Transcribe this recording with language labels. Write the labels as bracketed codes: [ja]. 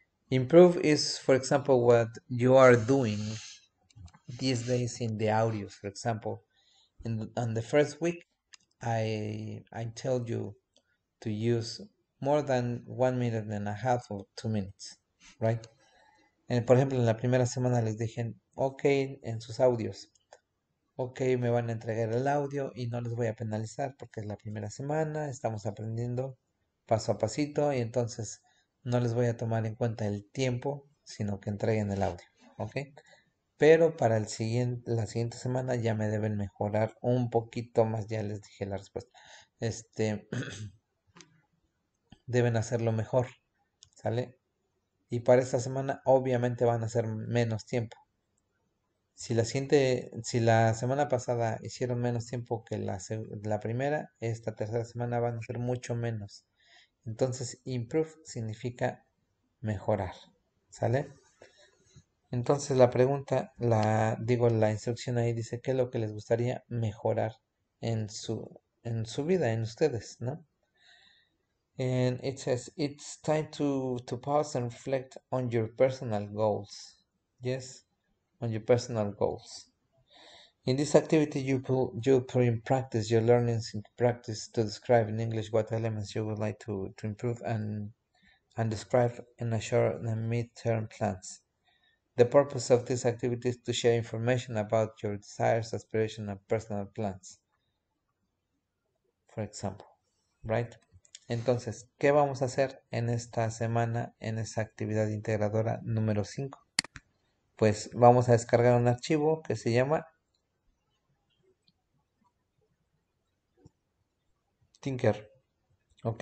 [en] Improve is, for example, what you are doing these days in the audios. For example, on the first week, I told you to use more than 1 minute and a half or 2 minutes, right? [es] And por ejemplo, en la primera semana les dije, ok, en sus audios, ok, me van a entregar el audio y no les voy a penalizar porque es la primera semana, estamos aprendiendo paso a pasito y entonces no les voy a tomar en cuenta el tiempo, sino que entreguen el audio, ¿ok? Pero para la siguiente semana ya me deben mejorar un poquito más, ya les dije la respuesta. deben hacerlo mejor, ¿Sale? Y para esta semana obviamente van a ser menos tiempo. Si la semana pasada hicieron menos tiempo que la primera, esta tercera semana van a ser mucho menos. Entonces, improve significa mejorar. ¿Sale? Entonces, la pregunta, la instrucción ahí dice qué es lo que les gustaría mejorar en su vida, en ustedes, ¿no? [en] And it says, it's time to pause and reflect on your personal goals. Yes, on your personal goals. In this activity, you put in practice your learnings into practice to describe in English what elements you would like to improve and describe in a short and mid-term plans. The purpose of this activity is to share information about your desires, aspirations, and personal plans. For example, right? [es] Entonces, ¿qué vamos a hacer en esta semana en esa actividad integradora número 5? Pues vamos a descargar un archivo que se llama Tinker. ¿Ok?